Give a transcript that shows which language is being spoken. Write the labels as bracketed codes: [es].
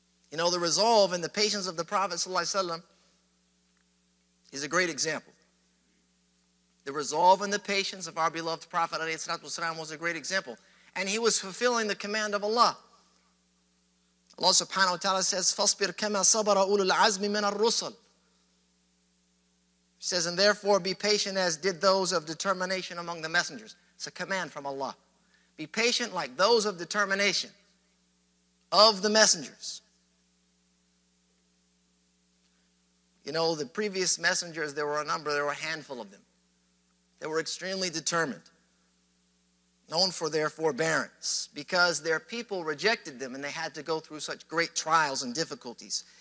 [en] You know, the resolve and the patience of the Prophet ﷺ is a great example. The resolve and the patience of our beloved Prophet ﷺ was a great example. And he was fulfilling the command of Allah. [ar] Allah subhanahu wa ta'ala says, فَاصْبِرْ كَمَا صَبَرَ أُولُو الْعَزْمِ مِنَ الرُّسُلِ. [en] He says, and therefore be patient as did those of determination among the messengers. It's a command from Allah. Be patient like those of determination of the messengers. You know, the previous messengers, there were a number, there were a handful of them. They were extremely determined, known for their forbearance, because their people rejected them and they had to go through such great trials and difficulties.